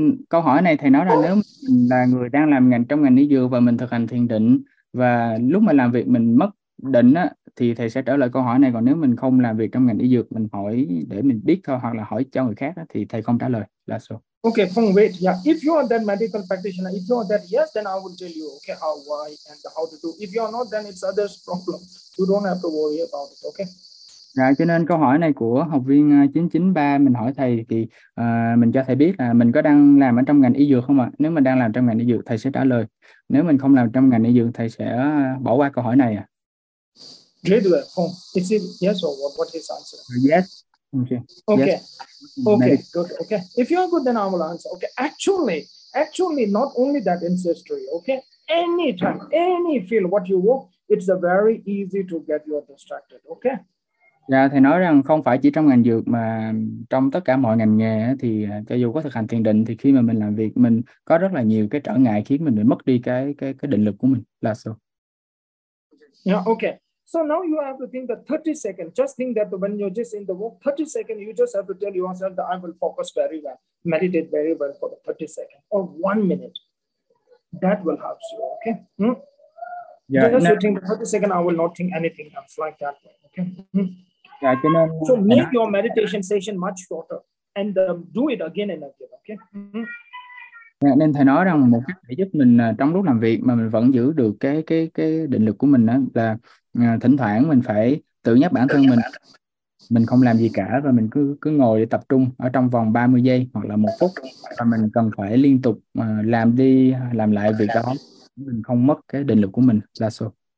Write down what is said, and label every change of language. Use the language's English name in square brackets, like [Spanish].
[Vietnamese] Câu hỏi này thầy nói là nếu mình là người đang làm ngành trong ngành y dược và mình thực hành thiền định và lúc mà làm việc mình mất định á, thì thầy sẽ trả lời câu hỏi này, còn nếu mình không làm việc trong ngành y dược mình hỏi để mình biết thôi hoặc là hỏi cho người khác á, thì thầy không trả lời là số. [English] Okay, Phong, wait. Yeah, if you are that medical practitioner, if you are that, yes, then I will tell you, okay, how, why, and how to do. If you are not, then it's others' problem. You don't have to worry about it, okay? [Vietnamese] Dạ, cho nên câu hỏi này của học viên 993 mình hỏi thầy thì mình cho thầy biết là mình có đang làm ở trong ngành y dược không ạ? Nếu mình đang làm trong ngành y dược thầy sẽ trả lời. Nếu mình không làm trong ngành y dược thầy sẽ bỏ qua câu hỏi này ạ. [English] Great work, Phong. Is it yes or what is the answer? Yes. Okay. Yes. Okay. Okay, good. Okay, if you are good, then I will answer. Okay, actually, not only that ancestry. Okay, anytime, any field, what you work, it's a very easy to get you distracted. Okay. [Vietnamese] Dạ, thầy nói rằng không phải chỉ trong ngành dược mà trong tất cả mọi ngành nghề ấy, thì cho dù có thực hành thiền định thì khi mà mình làm việc mình có rất là nhiều cái trở ngại khiến mình bị mất đi cái định lực của mình là sao. [English] Yeah. Okay. So now you have to think that 30 seconds, just think that when you're just in the walk, 30 seconds, you just have to tell yourself that I will focus very well, meditate very well for the 30 seconds or 1 minute. That will help you, okay? [Vietnamese] Dạ, [English] Just you think 30 seconds, I will not think anything else like that, okay? [Vietnamese] Dạ, cho nên [English] So make your meditation session much shorter and do it again and again, okay? [Vietnamese] nên thầy nói rằng một cách để giúp mình trong lúc làm việc mà mình vẫn giữ được cái định lực của mình đó là thỉnh thoảng mình phải tự nhắc bản thân mình không làm gì cả và mình cứ cứ ngồi để tập trung ở trong vòng 30 giây hoặc là 1 phút và mình cần phải liên tục làm đi làm lại việc đó, mình không mất cái định lực của mình là số.